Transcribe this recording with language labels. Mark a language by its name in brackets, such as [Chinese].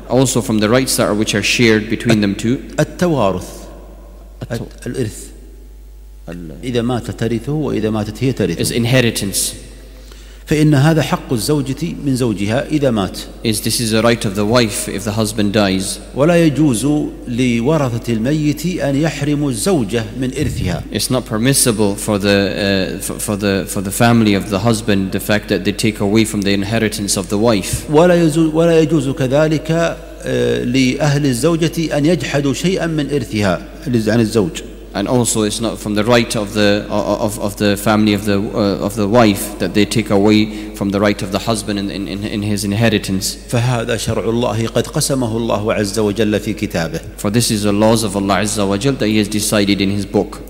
[English] Also from the rights that are which are shared between them two. [Arabic] التوارث. الإرث. إذا مات ترثه وإذا ماتت هي ترثه. [English] Is inheritance. [Arabic] فإن هذا حق الزوجة من زوجها إذا مات. [English] Is this is a right of the wife if the husband dies. [Arabic] ولا يجوز لورثة الميت أن يحرم الزوجة من إرثها. [English] It's not permissible for the family of the husband the fact that they take away from the inheritance of the wife. [Arabic] ولا يجوز كذلك لأهل الزوجة أن يجحدوا شيئا من إرثها عن الزوج. [English] And also, it's not from the right of the family of the wife that they take away from the right of the husband in his inheritance. [Arabic] فهذا شرع الله قد قسمه الله عز وجل في كتابه. [English] For this is the laws of Allah [Arabic] عز وجل [English] that He has decided in His book.